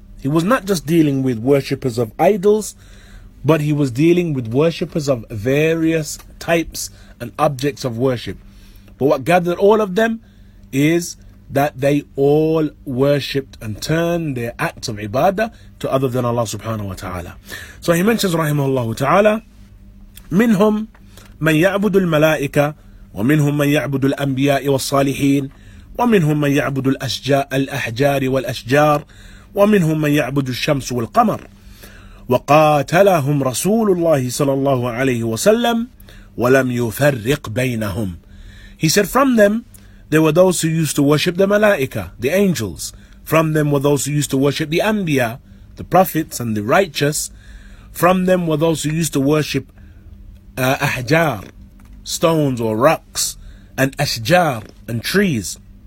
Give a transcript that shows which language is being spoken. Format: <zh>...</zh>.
<en>He was not just dealing with worshippers of idols, but he was dealing with worshippers of various types and objects of worship. But what gathered all of them is that they all worshipped and turned their acts of ibadah to other than Allah subhanahu wa ta'ala. So he mentions,</en> <ar>rahimahullah ta'ala, منهم من يعبد الملائكة ومنهم من يعبد الأنبياء والصالحين ومنهم من يعبد الأحجار والأشجار ومنهم من يعبد الشمس والقمر وقاتلهم رسول الله صلى الله عليه وسلم ولم يفرق بينهم.</ar> <en>He said, from them there were those who used to worship the malaika, the angels. From them were those who used to worship the anbiya, the prophets and the righteous. From them were those who used to worship ahjar, stones or rocks, and ashjar, and trees.</en>